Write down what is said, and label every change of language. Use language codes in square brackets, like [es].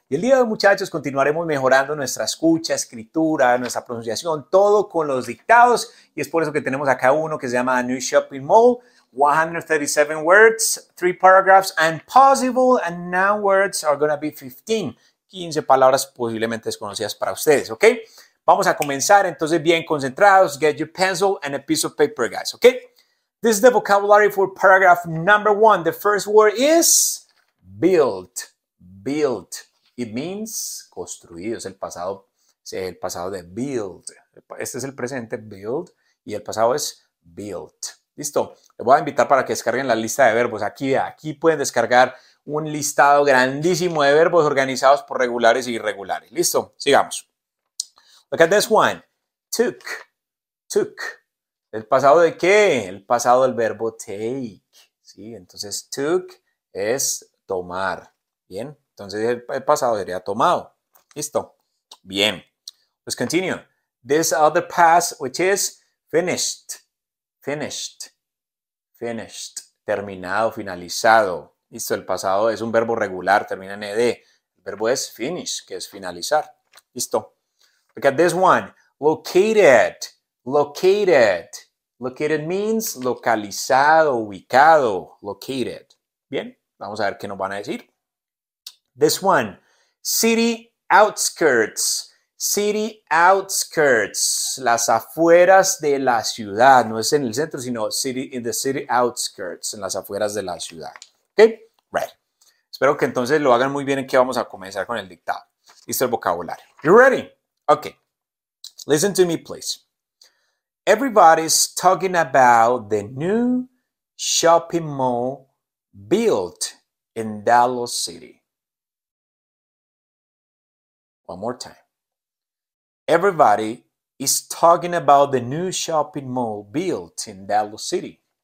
[es] Y el día de hoy, muchachos, continuaremos mejorando nuestra escucha, escritura, nuestra pronunciación, todo con los dictados. Y es por eso que tenemos acá uno que se llama New Shopping Mall. [en] 137 words, 3 paragraphs and possible and now words are going to be 15. [es] 15 palabras posiblemente desconocidas para ustedes, ¿ok? Vamos a comenzar, entonces, bien concentrados. [en] Get your pencil and a piece of paper, guys, ¿ok? This is the vocabulary for paragraph number one. The first word is built. Built. It means [es] construido. Es el pasado de build. Este es el presente, build. Y el pasado es built. ¿Listo? Les voy a invitar para que descarguen la lista de verbos. Aquí pueden descargar un listado grandísimo de verbos organizados por regulares e irregulares. ¿Listo? Sigamos. [en] Look at this one. Took. Took. [es] ¿El pasado de qué? El pasado del verbo take. ¿Sí? Entonces, took es tomar. ¿Bien? Entonces, el pasado sería tomado. ¿Listo? Bien. [en] Let's continue. This other past, which is finished. Finished. Finished. [es] Terminado, finalizado. ¿Listo? El pasado es un verbo regular, termina en ed. El verbo es finish, que es finalizar. ¿Listo? [en] Look at this one. Located. Located. Located means [es] localizado, ubicado, [en] located. [es] Bien, vamos a ver qué nos van a decir. [en] This one, city outskirts. City outskirts, [es] las afueras de la ciudad. No es en el centro, sino [en] city in the city outskirts, [es] en las afueras de la ciudad. [en] Ok, right. [es] Espero que entonces lo hagan muy bien en que vamos a comenzar con el dictado. Listo el vocabulario. [en] You ready? Ok, listen to me, please. Everybody's talking about the new shopping mall built in Dallas City. One more time. Everybody is talking about the new shopping mall built in Dallas City.